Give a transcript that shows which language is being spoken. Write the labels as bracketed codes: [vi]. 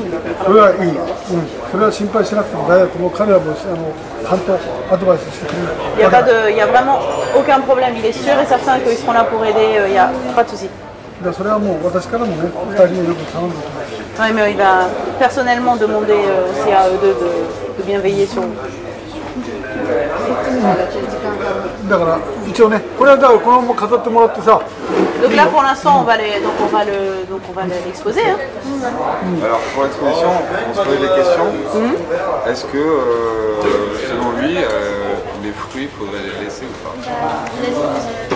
[ja] んだけど、それはいい、うん、それは心配しなくても大丈夫、もう彼らもちゃんとアドバイスしてくれる。 [fr] いや vraiment aucun problème、il est sûr et certain qu'ils seront là pour aider、いや、pas de souci。 [ja] だそれはもう私からもね、二人によく頼んで。はい、もう今 [fr] personnellement demander aussi à eux deux de bien veiller sur [ja] だから一応ね、これはだからこのまま飾ってもらってさ。 [fr] Donc là pour l'instant on va les donc on va le donc on va l'exposer hein. Mmh. Alors pour l'exposition, on se pose des questions. Mmh. Est-ce que selon lui les fruits faudrait les laisser ou pas?